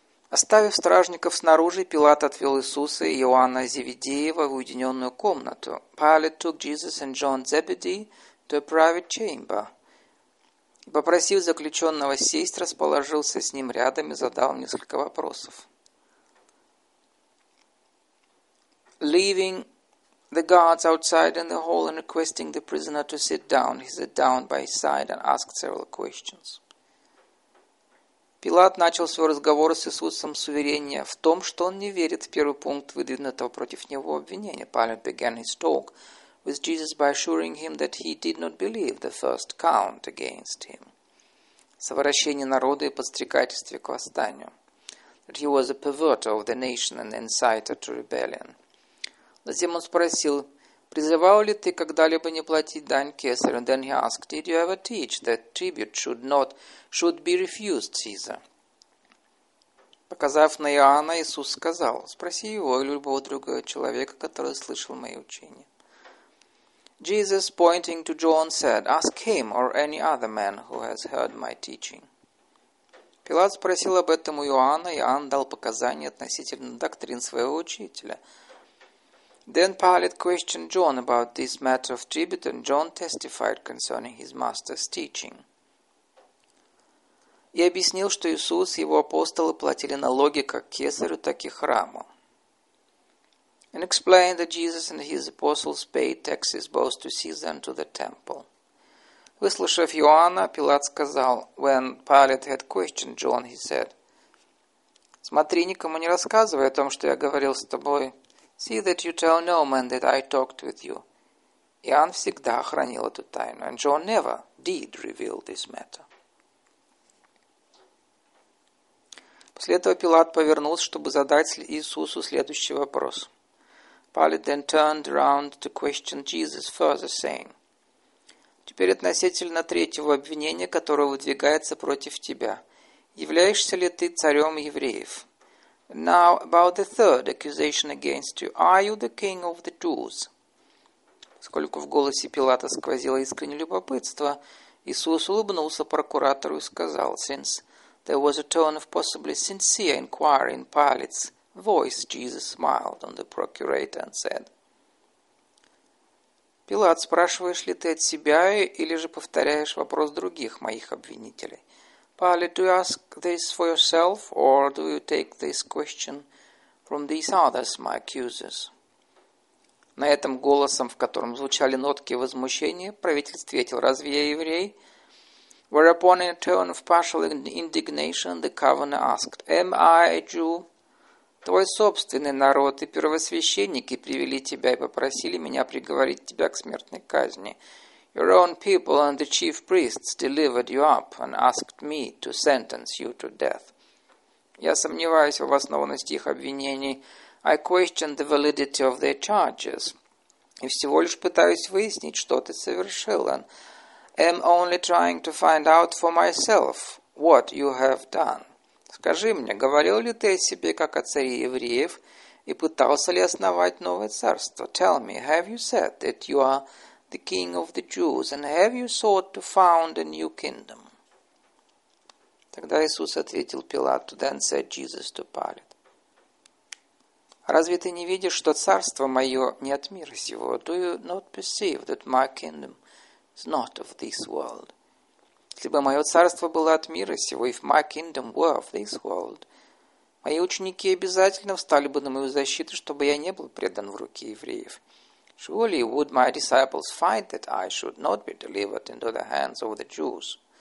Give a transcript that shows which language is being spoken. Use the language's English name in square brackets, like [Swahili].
[Russian] Оставив стражников снаружи, Пилат отвел Иисуса и Иоанна Зеведеева в уединенную комнату. [English] Pilate took Jesus and John Zebedee to a private chamber. [Russian] Попросив заключенного сесть, расположился с ним рядом и задал несколько вопросов. [English] Leaving the guards outside in the hall and requesting the prisoner to sit down, he sat down by his side and asked several questions. [Russian] Пилат начал свой разговор с Иисусом с уверения в том, что он не верит в первый пункт выдвинутого против него обвинения. [English] Pilate began his talk with Jesus by assuring him that he did not believe the first count against him. [Russian] Совращение народа и подстрекательство к восстанию. [English] That he was a perverter of the nation and inciter to rebellion. [Russian] Затем он спросил, призывал ли ты когда-либо не платить дань кесарю? [English] And then he asked, did you ever teach that tribute should be refused, Caesar? [Russian] Показав на Иоанна, Иисус сказал, спроси его или любого другого человека, который слышал мои учения. [English] Jesus, pointing to John, said, ask him or any other man who has heard my teaching. [Russian] Пилат спросил об этом у Иоанна, и Иоанн дал показания относительно доктрин своего учителя. [English] Then Pilate questioned John about this matter of tribute, and John testified concerning his master's teaching. [Russian] И объяснил, что Иисус и его апостолы платили налоги как кесарю, так и храму. [English] And explained that Jesus and his apostles paid taxes both to Caesar and to the temple. [Russian] Выслушав Иоанна, Пилат сказал, [English] when Pilate had questioned John, he said, [Russian] «Смотри, никому не рассказывай о том, что я говорил с тобой». [English] See that you tell no man that I talked with you. [Russian] Иоанн всегда хранил эту тайну, [English] and John never did reveal this matter. [Russian] После этого Пилат повернулся, чтобы задать Иисусу следующий вопрос. [English] Pilate then turned around to question Jesus further, saying, [Russian] «Теперь относительно третьего обвинения, которое выдвигается против тебя. Являешься ли ты царем евреев?» [English] Now, about the third accusation against you. Are you the king of the Jews? [Russian] Поскольку в голосе Пилата сквозило искреннее любопытство, Иисус улыбнулся прокуратору и сказал, [English] Since there was a tone of possibly sincere inquiry in Pilate's voice, Jesus smiled on the procurator and said, [Russian] Пилат, спрашиваешь ли ты от себя или же повторяешь вопрос других моих обвинителей? [English] Pilate, do you ask this for yourself, or do you take this question from these others, my accusers? [Russian] На этом голосом, в котором звучали нотки возмущения, правитель ответил, разве я еврей? [English] Whereupon, in a tone of partial indignation, the governor asked, Am I a Jew? [Russian] Твой собственный народ и первосвященники привели тебя и попросили меня приговорить тебя к смертной казни. [English] Your own people and the chief priests delivered you up and asked me to sentence you to death. [Russian] Я сомневаюсь в основанности их обвинений. [English] I question the validity of their charges. [Russian] И всего лишь пытаюсь выяснить, что ты совершил. [English] And am only trying to find out for myself what you have done. [Russian] Скажи мне, говорил ли ты о себе как о царе евреев и пытался ли основать новое царство? [English] Tell me, have you said that you are the king of the Jews, and have you sought to found a new kingdom? [Russian] Тогда Иисус ответил Пилату, [English] then said Jesus to Pilate. [Russian] Разве ты не видишь, что царство мое не от мира сего? [English] Do you not perceive that my kingdom is not of this world? [Russian] Если бы мое царство было от мира сего, [English] if my kingdom were of this world, [Russian] мои ученики обязательно встали бы на мою защиту, чтобы я не был предан в руки евреев. [English] Surely would my disciples fight that I should not be delivered into the hands of the Jews.